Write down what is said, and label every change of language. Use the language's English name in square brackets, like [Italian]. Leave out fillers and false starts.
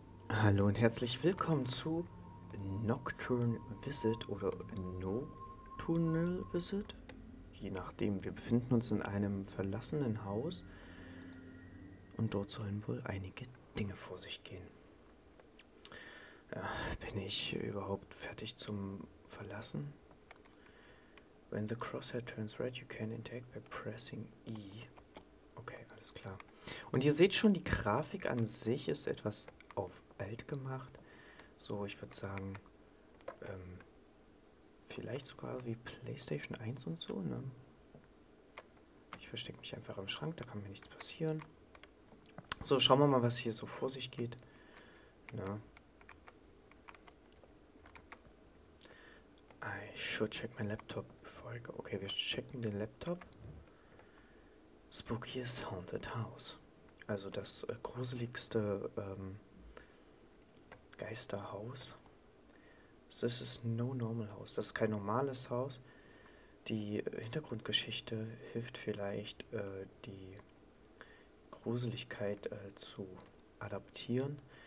[German] Hallo und herzlich willkommen zu Nocturne Visit oder Nocturnal Visit. Je nachdem, wir befinden uns in einem verlassenen Haus und dort sollen wohl einige Dinge vor sich gehen. Ja, bin ich überhaupt fertig zum Verlassen? [English] When the crosshair turns red, you can interact by pressing E. [German] Okay, alles klar. Und ihr seht schon, die Grafik an sich ist etwas auf alt gemacht. So, ich würde sagen, vielleicht sogar wie PlayStation 1 und so, ne? Ich verstecke mich einfach im Schrank, da kann mir nichts passieren. So, schauen wir mal, was hier so vor sich geht. Na? [English] I should check my laptop before I go. [German] Okay, wir checken den Laptop. [English] Spookiest Haunted House. [German] Also das gruseligste Geisterhaus. [English] This is no normal house. [German] Das ist kein normales Haus. Die Hintergrundgeschichte hilft vielleicht, die Gruseligkeit zu adaptieren.